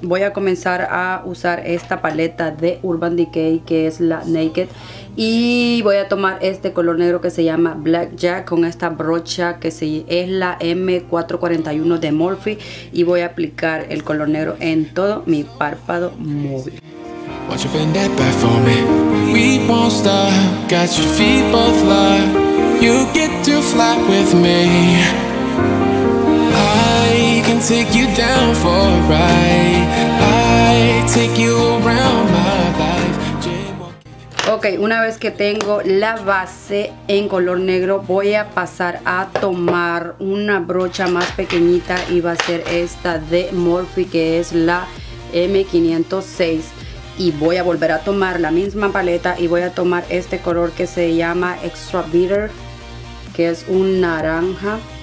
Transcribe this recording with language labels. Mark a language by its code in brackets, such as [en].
[es] Voy a comenzar a usar esta paleta de Urban Decay, que es la Naked. Y voy a tomar este color negro que se llama Black Jack con esta brocha que es la M441 de Morphe. Y voy a aplicar el color negro en todo mi párpado móvil. [en] Watch you bend that back for me. We won't stop. Got your feet both locked. You get to fly with me. I can take you down for a ride. I take you around my life. [es] Ok, una vez que tengo la base en color negro, voy a pasar a tomar una brocha más pequeñita y va a ser esta de Morphe, que es la M506. Y voy a volver a tomar la misma paleta y voy a tomar este color que se llama Extra Bitter, que es un naranja.